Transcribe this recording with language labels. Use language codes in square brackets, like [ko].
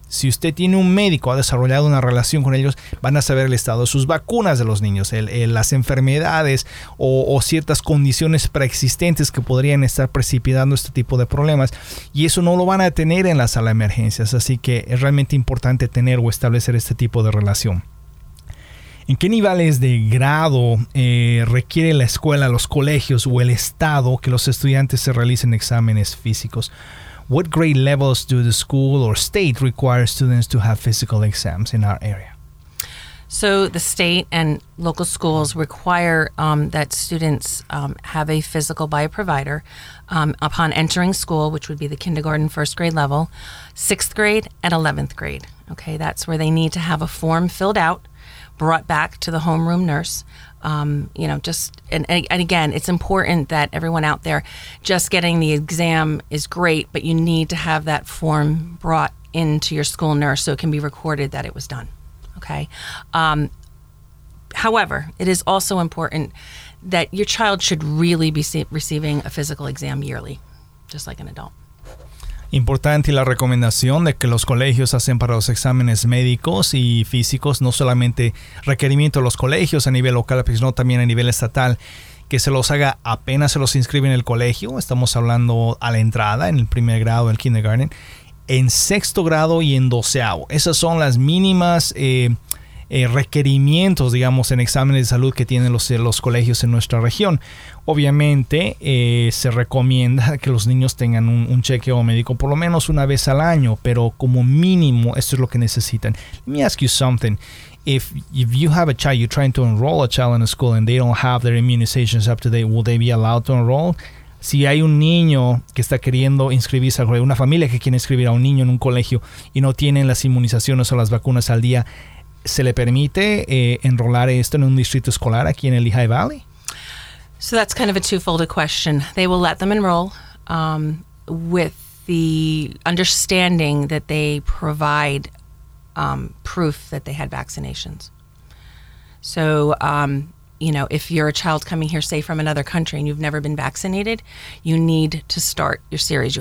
[es] Si usted tiene un médico, ha desarrollado una relación con ellos, van a saber el estado de sus vacunas de los niños, las enfermedades o ciertas condiciones preexistentes que podrían estar precipitando este tipo de problemas, y eso no lo van a tener en la sala de emergencias, así que es realmente importante tener o establecer este tipo de relación. ¿En qué niveles de grado requiere la escuela, los colegios o el estado que los estudiantes se realicen exámenes físicos? [en] What grade levels do the school or state require students to have physical exams in our area? So the state and local schools require that students have a physical by a provider upon entering school, which would be the kindergarten, first grade level, sixth grade, and 11th grade. Okay, that's where they need to have a form filled out, brought back to the homeroom nurse. And again, it's important that everyone out there, just getting the exam is great, but you need to have that form brought into your school nurse so it can be recorded that it was done. Okay. However, it is also important that your child should really be receiving a physical exam yearly, just like an adult. [es] Importante la recomendación de que los colegios hacen para los exámenes médicos y físicos, no solamente requerimiento de los colegios a nivel local, sino también a nivel estatal, que se los haga apenas se los inscribe en el colegio. Estamos hablando a la entrada, en el primer grado, el kindergarten, en sexto grado y en doceavo. Esas son las mínimas requerimientos, digamos, en exámenes de salud que tienen los colegios en nuestra región. Obviamente, se recomienda que los niños tengan un chequeo médico por lo menos una vez al año, pero como mínimo, esto es lo que necesitan. [en] Let me ask you something. If you have a child, you're trying to enroll a child in a school and they don't have their immunizations up to date, will they be allowed to enroll? [es] Si hay un niño que está queriendo inscribirse, una familia que quiere inscribir a un niño en un colegio y no tienen las inmunizaciones o las vacunas al día, ¿se le permite enrolar esto en un distrito escolar aquí en el Lehigh Valley? [en] So that's kind of a two-folded question. They will let them enroll with the understanding that they provide proof that they had vaccinations. So, if you're a child coming here, say from another country, and you've never been vaccinated, you need to start your series.